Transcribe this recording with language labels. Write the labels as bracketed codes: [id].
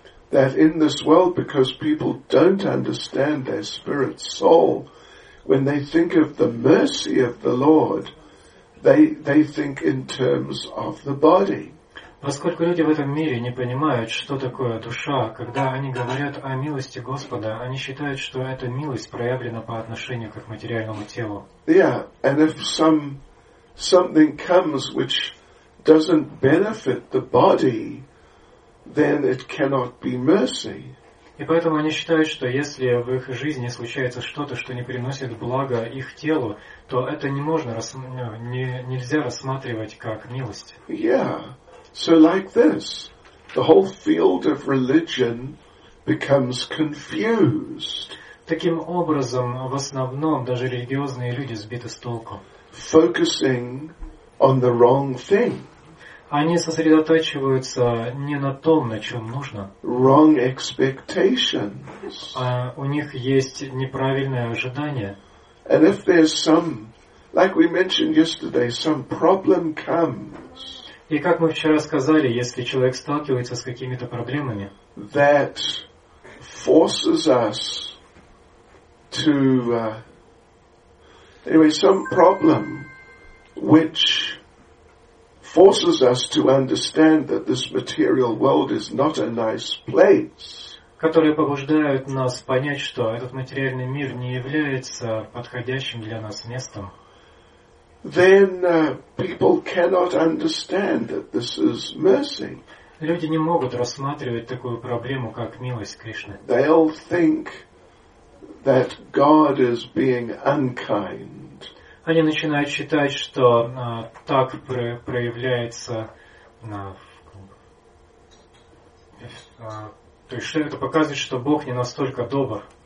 [en] That in this world, because people don't understand their spirit soul, when they think of the mercy of the Lord, they think in terms of the body. [ru] Поскольку люди в этом мире не понимают, что такое душа, когда они говорят о милости Господа, они считают, что эта милость проявлена по отношению к их материальному телу. [en] Yeah, and if something comes which doesn't benefit the body, then it cannot be mercy. [ru] И поэтому они считают, что если в их жизни случается что-то, что не приносит блага их телу, то это не можно нельзя рассматривать как милость. [en] Yeah. So like this, the whole field of religion becomes confused. [ru] Таким образом, в основном даже религиозные люди сбиты с толку. [en] Focusing on the wrong thing. [ru] Они сосредотачиваются не на том, на чем нужно. [en] Wrong expectations. [ru] А у них есть неправильное ожидание. [en] And if there's some, like we mentioned yesterday, some problem comes. [ru] И как мы вчера сказали, если человек сталкивается с какими-то проблемами, [en] that forces us to anyway, some problem which forces us to understand that this material world is not a nice place. [ru] Которые побуждают нас понять, что этот материальный мир не является подходящим для нас местом. [en] Then people cannot understand that this is mercy. [ru] Люди не могут рассматривать такую проблему как милость Кришны. [en] They'll think that God is being unkind. [ru] Они начинают считать, что так проявляется, то есть что это показывает, что Бог не настолько добр.